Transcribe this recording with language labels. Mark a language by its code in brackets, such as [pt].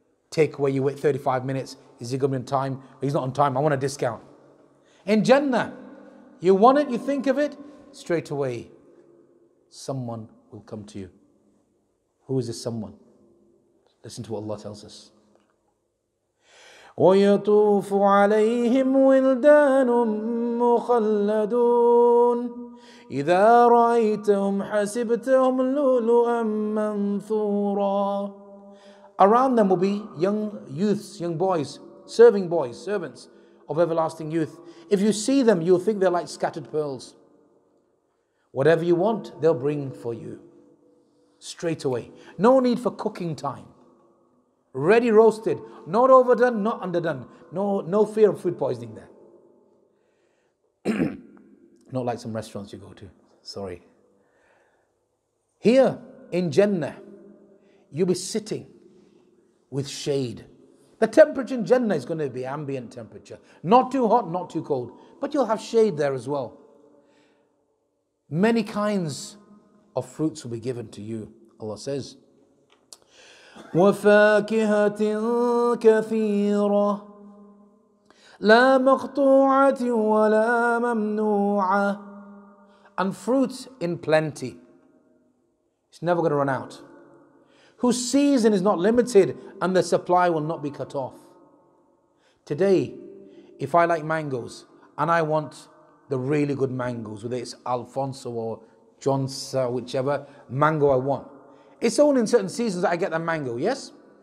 [en] Take away, you wait 35 minutes. Is he going to be on time? He's not on time. I want a discount. In Jannah, you want it, you think of it, straight away, someone will come to you. Who is this someone? Listen to what Allah tells us. [ar] ويطوف عليهم ولدان مخلدون إذا رأيتهم حسبتهم لؤلؤا منثورا. [en] Around them will be young youths, young boys, serving boys, servants of everlasting youth. If you see them, you'll think they're like scattered pearls. Whatever you want, they'll bring for you. Straight away. No need for cooking time. Ready roasted, not overdone, not underdone. No fear of food poisoning there. Not like some restaurants you go to, sorry. Here in Jannah, you'll be sitting with shade. The temperature in Jannah is going to be ambient temperature. Not too hot, not too cold, but you'll have shade there as well. Many kinds of fruits will be given to you, Allah says. [ar] وفاكهة كثيرة لا مقطوعة ولا ممنوعة. [en] And fruits in plenty. It's never going to run out. Whose season is not limited and the supply will not be cut off. Today, if I like mangoes and I want the really good mangoes, whether it's Alfonso or Johnsa, whichever mango I want, it's only in certain seasons that I get the mango, yes?